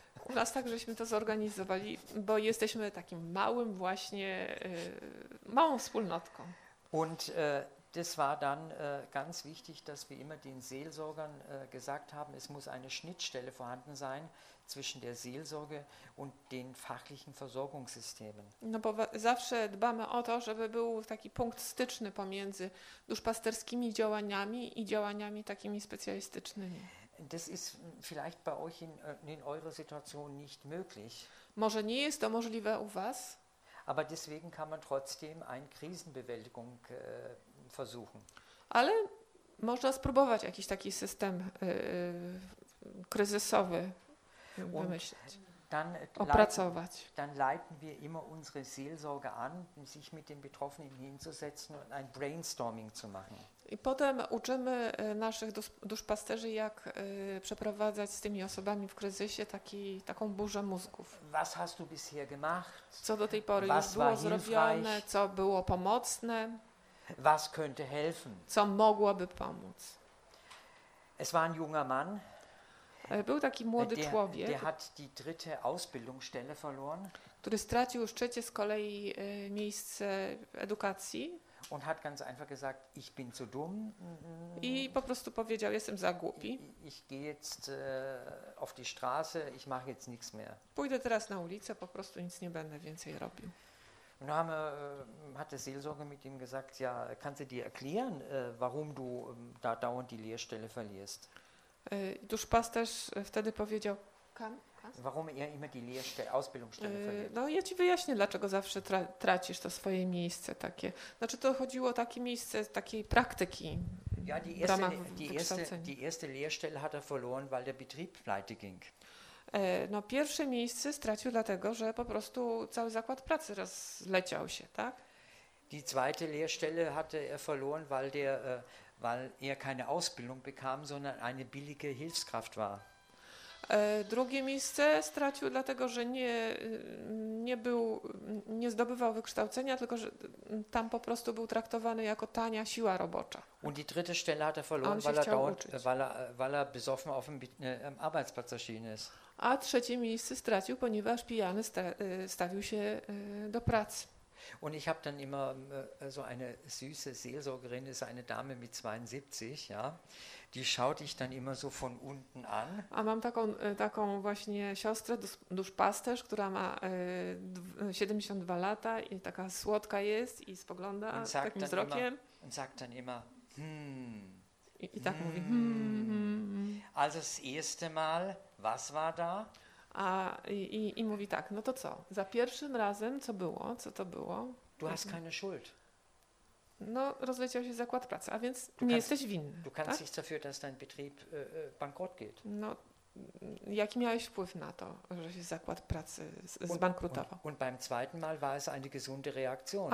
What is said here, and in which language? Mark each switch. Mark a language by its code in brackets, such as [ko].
[pl] U nas tak żeśmy to zorganizowali, bo jesteśmy takim małym właśnie, małą wspólnotką. [de] Und, das war dann ganz wichtig, dass wir immer den Seelsorgern gesagt haben, es muss eine Schnittstelle vorhanden sein zwischen der Seelsorge und den fachlichen Versorgungssystemen. [pl] No bo zawsze dbamy o to, żeby był taki punkt styczny pomiędzy duszpasterskimi działaniami i działaniami takimi specjalistycznymi. [de] Das ist vielleicht bei euch in eurer Situation nicht möglich. [pl] Może nie jest to możliwe u was. [de] Aber deswegen kann man trotzdem eine Krisenbewältigung versuchen. [pl] Ale można spróbować jakiś taki system kryzysowy wymyślić, opracować. [de] Dann leiten wir immer unsere Seelsorge an, sich mit den Betroffenen hinzusetzen und ein Brainstorming zu machen. [pl] I potem uczymy naszych duszpasterzy, jak przeprowadzać z tymi osobami w kryzysie taką burzę mózgów. [de] Was hast du bisher gemacht? [pl] Co do tej pory już było zrobione, co było pomocne? [de] Was könnte helfen? [pl] Co mogłoby pomóc? [de] Es war ein junger Mann. [pl] Był taki młody człowiek. [de] Der hat die dritte Ausbildungsstelle verloren. [pl] Który stracił już trzecie z kolei miejsce edukacji. [de] Und hat ganz einfach gesagt, ich bin zu dumm. [pl] I po prostu powiedział, jestem za głupi. [de] Ich gehe jetzt auf die Straße, ich mache jetzt nichts mehr. [pl] Pójdę teraz na ulicę, po prostu nic nie będę więcej robił. [de] Und dann hat der Seelsorger mit ihm gesagt, ja, kannst du dir erklären, warum du da dauernd die Lehrstelle verlierst? [pl] Duszpasterz wtedy powiedział, [de] warum er immer die Lehrstelle, Ausbildungsstelle verliert. [pl] No, ja ci wyjaśnię, dlaczego zawsze tracisz to swoje miejsce takie. Znaczy, to chodziło o takie miejsce takiej praktyki. [de] Ja, die erste Lehrstelle hat er verloren, weil der Betrieb pleite ging. [pl] No, pierwsze miejsce stracił dlatego, że po prostu cały zakład pracy rozleciał się, tak? [de] Die zweite Lehrstelle hatte er verloren, weil er keine Ausbildung bekam, sondern eine billige Hilfskraft war. [pl] Drugie miejsce stracił dlatego, że nie zdobywał wykształcenia, tylko że tam po prostu był traktowany jako tania siła robocza. [de] Und die dritte Stelle hat er verloren, weil er besoffen auf dem Arbeitsplatz erschienen ist. [pl] A trzecie miejsce stracił, ponieważ pijany stawił się do pracy. [de] Und ich habe dann immer so eine süße Seelsorgerin, ist eine Dame mit 72, ja. Die schaut ich dann immer so von unten an. [pl] A mam taką właśnie siostrę, duszpasterz, która ma 72 lata i taka słodka jest i spogląda takim wzrokiem. [de] Und sagt dann immer, [pl] I tak mówi, [de] Also das erste Mal, was war da? [pl] I mówi tak, no to co? Za pierwszym razem, co było? Co to było? [de] Du hast keine Schuld. [pl] No, rozleciał się zakład pracy, a więc nie jesteś winny. [de] Du kannst nichts dafür, dass dein Betrieb bankrott geht. [pl] No, jaki miałeś wpływ na to, że się zakład pracy zbankrutował? [de] Und beim zweiten Mal war es eine gesunde Reaktion.